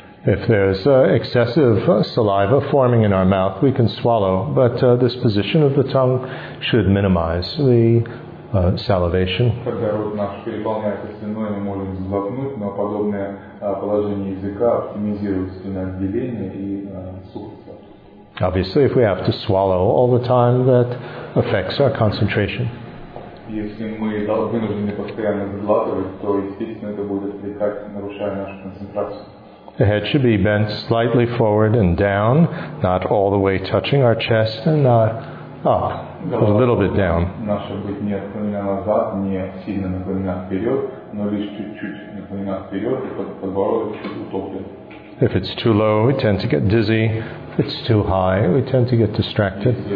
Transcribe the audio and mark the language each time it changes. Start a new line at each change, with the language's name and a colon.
English: If there's excessive saliva forming in our mouth, we can swallow, but this position of the tongue should minimize the salivation.
Russian: Когда рот наш переполняется слюной, мы можем взглотнуть, но подобное положение языка оптимизирует слюноотделение и сухость.
English: Obviously, if we have to swallow all the time, that affects our concentration.
Russian: Если мы вынуждены постоянно взглатывать, то, естественно, это будет отвлекать, нарушая нашу концентрацию.
English: The head should be bent slightly forward and down, not all the way touching our chest, and not up, but a little bit down.
Russian: Наша будет не отклонена назад, не сильно наклонена вперед, но лишь чуть-чуть наклонена вперед, и подбородок чуть утоплен.
English: If it's too low, we tend to get dizzy. If it's too high, we tend to get distracted.